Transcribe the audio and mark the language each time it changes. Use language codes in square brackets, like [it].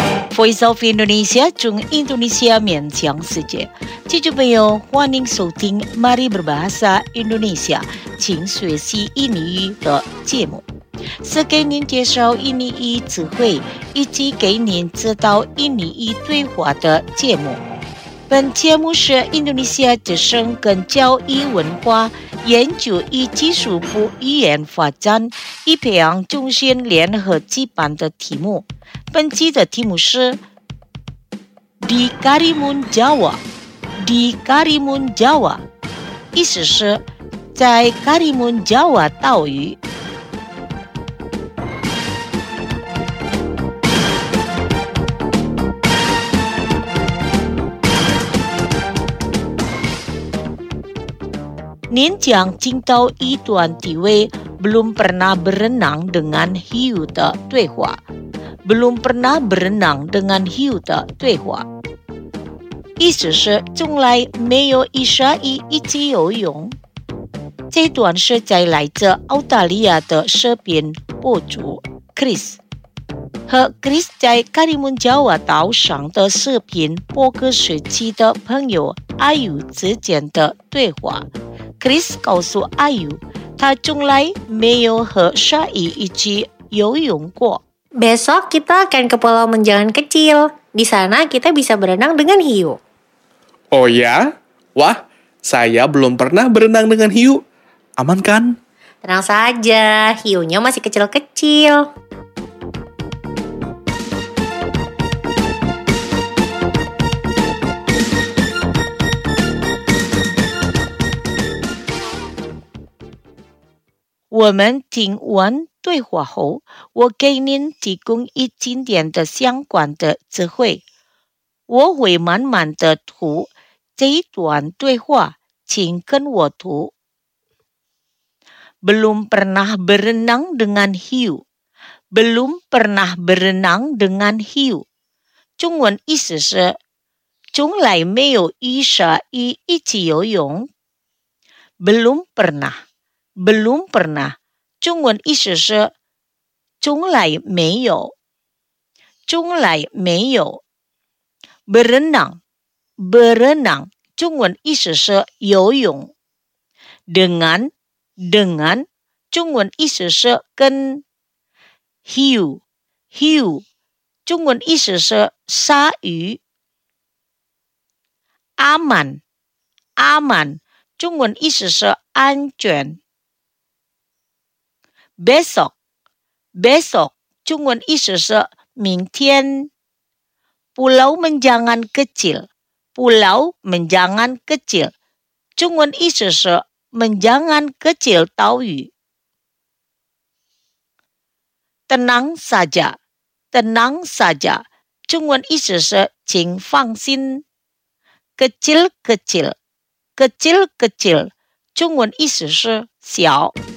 [zh] Voice of Indonesia 中 Indonesia 面向世界，听众朋友欢迎收听 Mari Berbahasa Indonesia， 请学习印尼语的节目，是给您介绍印尼语词汇以及给您指导印尼语对话的节目。本节目是印度尼西亚之声跟教育文化研究与技术部语言发展与培养中心联合举办的题目。本期的题目是 Di Karimun Jawa， Di Karimun Jawa， 意思是在 Karimun Jawa 岛屿。您将听到一段体会 [id] belum pernah berenang dengan hiu [zh] 的对话， belum pernah berenang dengan hiu 的对话，意思是从来没有一鲨鱼一起游泳。这段是在来自澳大利亚的视频博主 Chris 和 Chris 在卡里蒙加瓦岛上的视频播客时期的朋友阿尤之间的对话。 Chris 告诉阿尤，他从来没有和鲨鱼一起游泳过。 [id] Besok kita akan ke Pulau Menjangan kecil. Di sana kita bisa berenang dengan hiu. Oh ya? Wah, saya belum pernah berenang dengan hiu. Aman kan? Tenang saja, hiunya masih kecil-kecil. [zh] 我们听完对话后，我给您提供一经典的相关的词汇。我会慢慢的读这一段对话，请跟我读。 [id] Belum pernah berenang dengan hiu. Belum pernah berenang dengan hiu. [zh] 中文意思是，从来没有与鲨鱼一起游泳。 [id] Belum pernah. Belum pernah， [zh] 中文意思是从来没有，从来没有。 Berenang， berenang， 中文意思是游泳。 Dengan， dengan， 中文意思是跟。 Hiu， hiu， 中文意思是鲨鱼。 Aman， aman， 中文意思是安全。 Besok, besok, 中文意思是明天。 Pulau Menjangan kecil, Pulau Menjangan kecil, 中文意思是Menjangan kecil 岛屿。 [id] Tenang saja, tenang saja, [zh] 中文意思是请放心。 [id] Kecil kecil, kecil kecil, [zh] 中文意思是小。